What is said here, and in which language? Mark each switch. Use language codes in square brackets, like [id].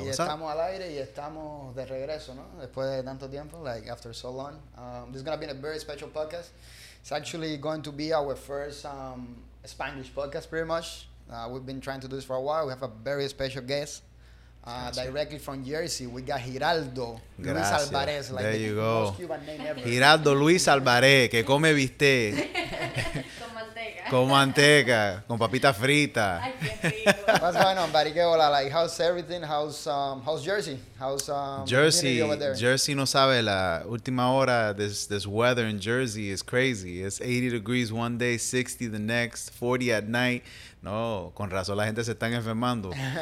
[es] Y estamos al aire y estamos de regreso, ¿no? Después de tanto tiempo, [en] like after so long. This is going to be a very special podcast. It's actually going to be our first Spanish podcast, pretty much. We've been trying to do this for a while. We have a very special guest. Directly from Jersey, we got Giraldo Luis Alvarez, like there the you go. Most Cuban name ever. Giraldo Luis Alvarez, [es] que come bistec. Con manteca. Con manteca, con papita frita. Ay, qué rico. [en] What's going on, buddy? [es] Que hola, [en] like, how's everything? How's Jersey? Jersey, over there? Jersey [es] no sabe la última hora, [en] this weather in Jersey is crazy. It's 80 degrees one day, 60 the next, 40 at night. [es] No, con razón la gente se están enfermando.